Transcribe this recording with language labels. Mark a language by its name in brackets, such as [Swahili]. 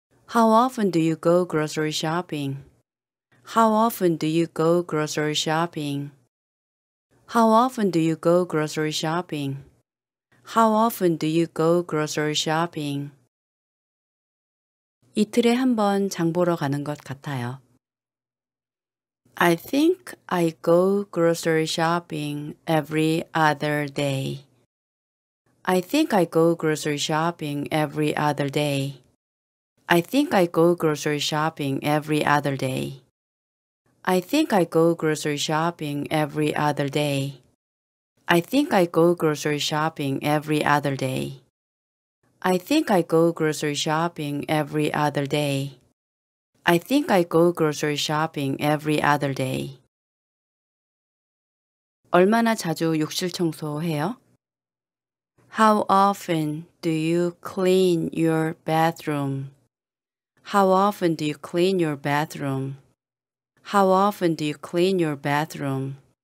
[English] How often do you go grocery shopping? How often do you go grocery shopping? How often do you go grocery shopping? How often do you go grocery shopping? [Korean] 이틀에 한 번 장 보러 가는 것 같아요. [English] I think I go grocery shopping every other day. I think I go grocery shopping every other day. I think I go grocery shopping every other day. I think I go grocery shopping every other day. I think I go grocery shopping every other day. I think I go grocery shopping every other day. I think I go grocery shopping every other day. [Korean] 얼마나 자주 욕실 청소해요? [English] How often do you clean your bathroom? How often do you clean your bathroom? How often do you clean your bathroom?